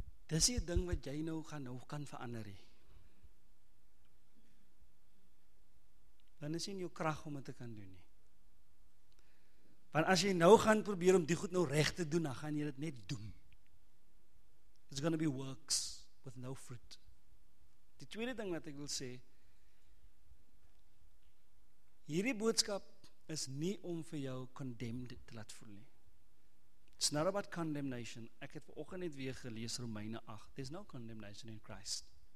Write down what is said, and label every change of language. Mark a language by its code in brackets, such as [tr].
[af] Dis die ding wat jy nou gaan nou kan verander hê. Dan is nie jou krag om dit te kan doen nie. Want as jy nou gaan probeer om die goed nou reg te doen, dan gaan jy dit net doen. [en] It's going to be works with no fruit. [af] Die tweede ding wat ek wil sê, hierdie boodskap is nie om vir jou condemned te laat voel nie. [en] It's not about condemnation. [af] Ek het vanoggend net weer gelees Romeine 8. [en] There's no condemnation in Christ.